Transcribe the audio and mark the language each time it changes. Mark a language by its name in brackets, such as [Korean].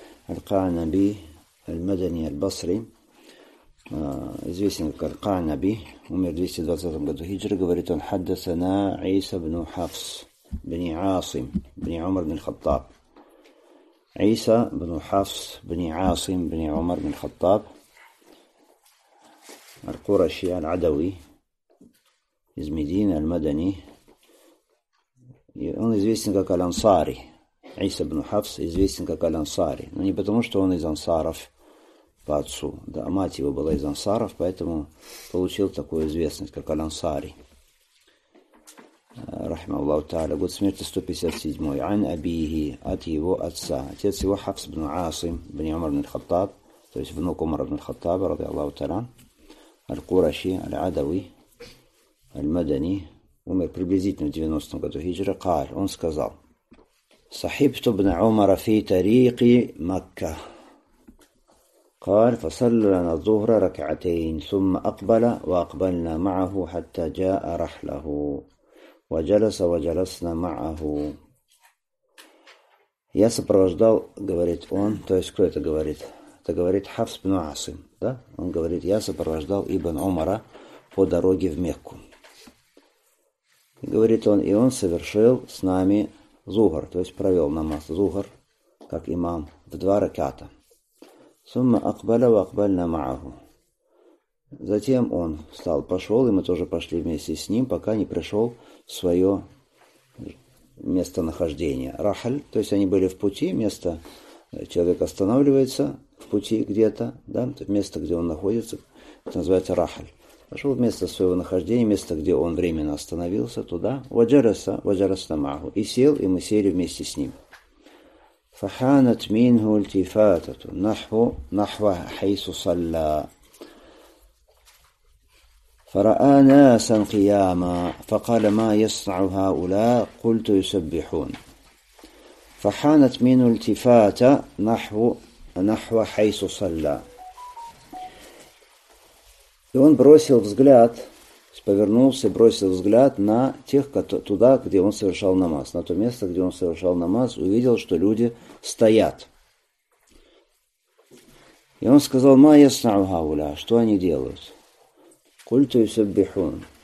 [Russian] القعنبي المدني البصري, известен как القعنبي, умер в 220 году хиджры, говорит он, حدثنا عيسى بن حفص بن عاصم بن عمر بن الخطاب. عيسى بن حفص بن عاصم بن عمر بن الخطاب, القرشي العدوي из Медины, المدني, он известен как Ансари. عيسى بن حفص известен как Ансари, но не потому, что он из ансаров по отцу, да, мать его была из ансаров, поэтому получил такую известность как Ансари. [Arabic] رحمه الله تعالى, [Russian] год смерти 157, [Arabic] عن أبيه, [Russian] от его отца, отец его حفص بن عاصم بن عمر بن الخطاب, то есть внук عمر بن الخطاب [Arabic] رضي الله تعالى, [Russian] القرشي العدوي [Arabic] المدني, [Russian] умер приблизительно в 90 году хиджры, [Arabic] قال, [Russian] он сказал, [Arabic] صحبت ابن عمر في طريق مكة, قال, فصلى لنا الظهر ركعتين ثم أقبل وأقبلنا معه حتى جاء رحله وجلس وجلسنا معه. [Russian] Я сопровождал, говорит он, то есть кто это говорит? Это говорит Хафс бин Асим, да? Он говорит, я сопровождал ибн Умара по дороге в Мекку. Говорит он, и он совершил с нами зухр, то есть провел намаз зухр, как имам, в два ракята. [Arabic] Сумма акбаля ва акбальна маагу. [Russian] Затем он встал, пошел, и мы тоже пошли вместе с ним, пока не пришел в свое местонахождение. Рахаль, то есть они были в пути, место, человек останавливается в пути где-то, да, место, где он находится, это называется рахаль. Пошел в место своего нахождения, место, где он временно остановился, туда. [Arabic] Ваджараса, ваджарасна маагу. [Russian] И сел, и мы сели вместе с ним. [Arabic] فحانت منه التفاتة نحو حيث صلى فرأى ناسا قياما فقال ما يصنع هؤلاء قلت يسبحون فحانت منه التفاتة نحو حيث صلى. [Russian] И он бросил взгляд, повернулся, бросил взгляд на тех, туда, где он совершал намаз, на то место, где он совершал намаз, увидел, что люди стоят. И он сказал, [Arabic] «Ма яснау гауля», [Russian] что они делают? [Arabic] «Культу юсаббихун».